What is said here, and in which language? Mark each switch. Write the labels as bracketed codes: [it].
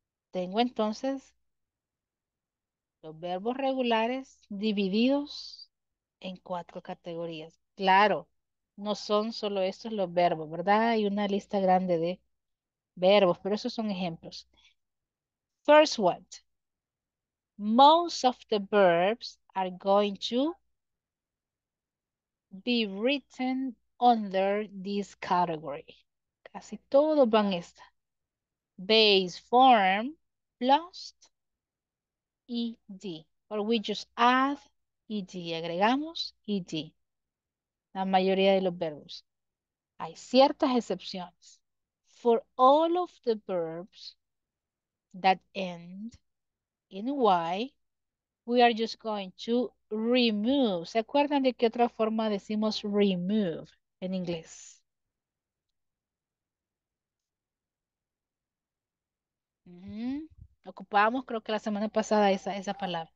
[es] Tengo entonces los verbos regulares divididos en cuatro categorías. Claro, no son solo estos los verbos, ¿verdad? Hay una lista grande de verbos, pero esos son ejemplos. [en] First one. Most of the verbs are going to be written under this category. [es] Casi todos van a esta. [en] Base form plus ed. Or we just add ed. [es] Agregamos ed. La mayoría de los verbos. Hay ciertas excepciones. [en] For all of the verbs that end in y, we are just going to remove. [es] ¿Se acuerdan de qué otra forma decimos remove en inglés? Ocupamos, creo que la semana pasada, esa palabra.